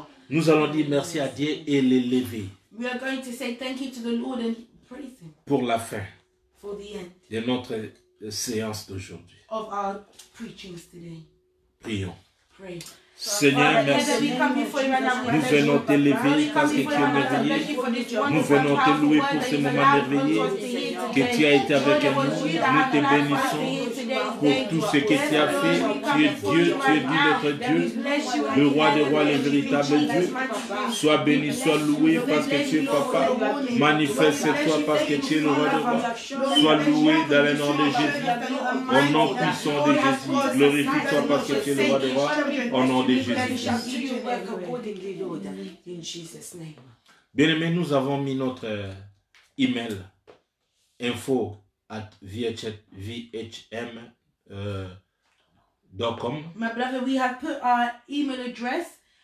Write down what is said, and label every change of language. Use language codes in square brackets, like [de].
[fr] Nous allons dire merci à Dieu et l'élever. [en] We are going to say thank you to the Lord and praise him. [fr] Pour la fin. [en] For the end. [fr] De notre séance d'aujourd'hui. [en] Of our preachings today. [fr] Prions. [en] Pray. [fr] Seigneur, merci. Nous venons te lever parce que tu es merveilleux. Nous venons te louer pour ce moment merveilleux que tu as été avec nous. Nous te bénissons pour tout ce que tu as fait. Tu es Dieu, tu es Dieu, notre Dieu, le roi des rois, le véritable Dieu. Sois béni, sois loué parce que tu es papa. Manifeste-toi parce que tu es le roi des rois. Sois loué dans le nom de Jésus. Au nom puissant de Jésus, glorifie-toi parce que tu es le roi des rois. Au nom de Jésus. Bien-aimés, nous avons mis notre email info@vhm.com. [en] My brother, we have put our email address.